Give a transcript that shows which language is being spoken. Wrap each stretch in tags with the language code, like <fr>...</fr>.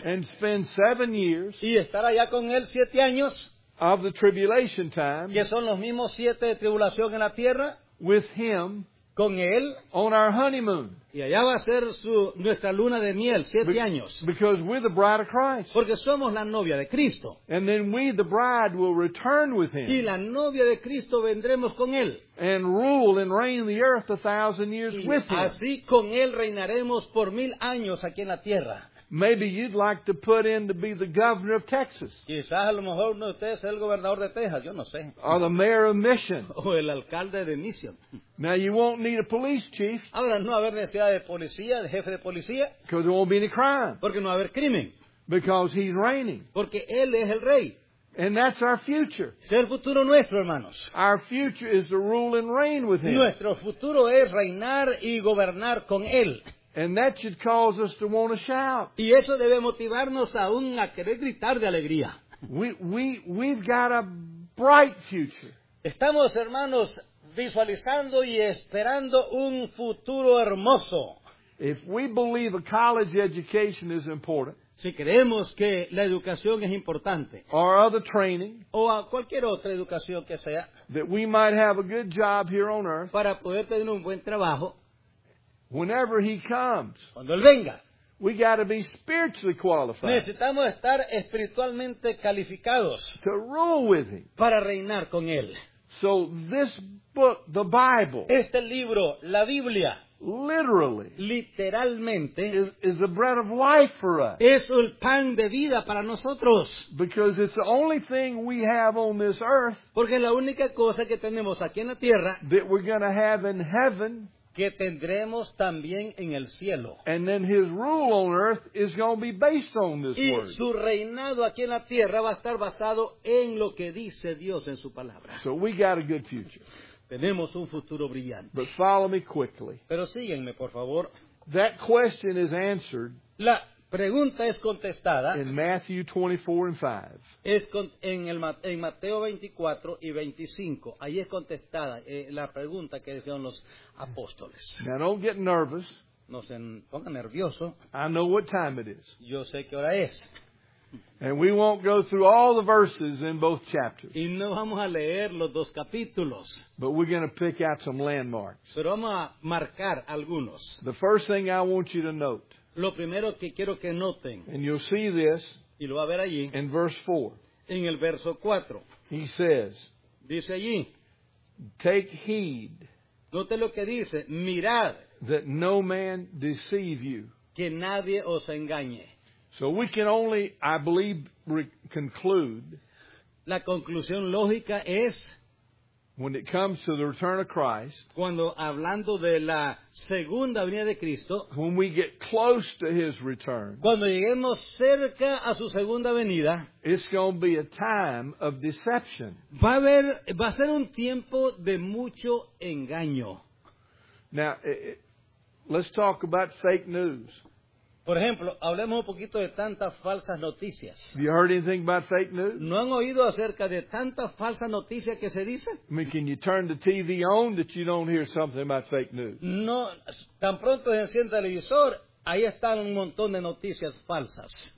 <en>And spend 7 years.</en> <es>Y estar allá con él 7 años.</es> <en>Of the tribulation time.</en> <es>Que son los mismos 7 de tribulación en la tierra.</es> <en>With him,</en> <es>con él,</es> <en>on our honeymoon.</en> <es>Y allá va a ser nuestra luna de miel, 7 años.</es> <en>Because we're the bride of Christ.</en> <es>Porque somos la novia de Cristo.</es> <en>And then we, the bride, will return with him.</en> <es>Y la novia de Cristo vendremos con él.</es> <en>And rule and reign the earth 1,000 years</en> <es>y</es> <en>with him.</en> <es>Así con él reinaremos por 1,000 años aquí en la tierra.</es> <en>Maybe you'd like to put in to be the governor of Texas.</en> <es>Quizás a lo mejor uno de ustedes sea el gobernador de Texas, yo no sé.</es> <en>Or the mayor of Mission.</en> <es>O el alcalde de Mission.</es> <en>Now you won't need a police chief.</en> <es>Ahora no va a haber necesidad de policía, de jefe de policía.</es> <en>Because there won't be any crime.</en> <es>Porque no va a haber crimen.</es> <en>Because he's reigning.</en> <es>Porque él es el rey.</es> <en>And that's our future.</en> <es>Es el futuro nuestro, hermanos.</es> <en>Our future is to rule and reign with him.</en> <es>Nuestro futuro es reinar y gobernar con él.</es> <en>And that should cause us to want to shout.</en> <es>Y eso debe motivarnos aún a querer gritar de alegría.</es> <en>We've got a bright future.</en> <es>Estamos, hermanos, visualizando y esperando un futuro hermoso.</es> <en>If we believe a college education is important,</en> <es>si creemos que la educación es importante,</es> <en>or other training,</en> <es>o a cualquier otra educación que sea,</es> <en>that we might have a good job here on earth,</en> <es>para poder tener un buen trabajo.</es> <en>Whenever he comes,</en> <es>cuando él venga,</es> <en>we got to be spiritually qualified.</en> <es>Necesitamos estar espiritualmente calificados</es> <en>to rule with him.</en> <es>Para reinar con él.</es> <en>So this book, the Bible,</en> <es>este libro, la Biblia,</es> <en>literally,</en> <es>literalmente,</es> <en>is the bread of life for us.</en> <es>Es el pan de vida para nosotros.</es> <en>Because it's the only thing we have on this earth.</en> <es>Porque es la única cosa que tenemos aquí en la tierra.</es> <en>That we're going to have in heaven.</en> <es>Que tendremos también en el cielo.</es> <en>And then his rule on earth is going to be based on this word.</en> <es>Y su reinado aquí en la tierra va a estar basado en lo que dice Dios en su palabra.</es> <en>So we got a good future.</en> <es>Tenemos un futuro brillante.</es> <en>But follow me quickly.</en> <es>Pero síguenme, por favor.</es> <en>That question is answered.</en> <es>La pregunta es contestada.</es> <en>In Matthew 24 and 5.</en> <es>En Mateo 24 y 25. Ahí es contestada la pregunta que decían los apóstoles.</es> <en>Now don't get nervous.</en> <es>No se ponga nervioso.</es> <en>I know what time it is.</en> <es>Yo sé qué hora es.</es> <en>And we won't go through all the verses in both chapters.</en> <es>Y no vamos a leer los dos capítulos.</es> <en>But we're going to pick out some landmarks.</en> <es>Pero vamos a marcar algunos.</es> <en>The first thing I want you to note.</en> <es>Lo primero que quiero que noten.</es> <en>And you'll see this.</en> <es>Y lo va a ver allí.</es> <en>In verse 4.</en> <es>En el verso 4.</es> <en>He says.</en> <es>Dice allí.</es> <en>Take heed.</en> <es>Note lo que dice. Mirad.</es> <en>That no man deceive you.</en> <es>Que nadie os engañe.</es> <en>So we can only, I believe, conclude.</en> <es>La conclusión lógica es.</es> <en>When it comes to the return of Christ,</en> <es>cuando hablando de la segunda venida de Cristo,</es> <en>when we get close to His return,</en> <es>cuando lleguemos cerca a su segunda venida,</es> <en>it's going to be a time of deception.</en> <es>Va a ser un tiempo de mucho engaño.</es> <en>Now, let's talk about fake news.</en> <es>Por ejemplo, hablemos un poquito de tantas falsas noticias.</es> <en>You heard anything about fake news?</en> <es>¿No han oído acerca de tantas falsas noticias que se dicen?</es> <en>I mean, can you turn the TV on that you don't hear something about fake news?</en> <es>No, tan pronto se enciende el televisor, ahí están un montón de noticias falsas.</es>